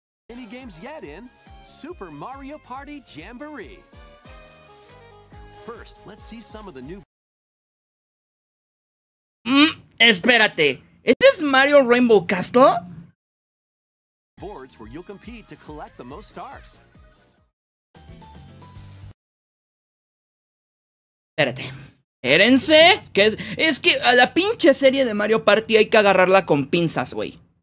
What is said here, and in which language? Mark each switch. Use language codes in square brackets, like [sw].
[en] Any games yet in Super Mario Party Jamboree. First, let's see some of the new... [es] espérate. ¿Este es Mario Rainbow Castle? [en] Boards where you'll compete to collect the most stars. [es] Espérense, que es que a la pinche serie de Mario Party hay que agarrarla con pinzas, güey.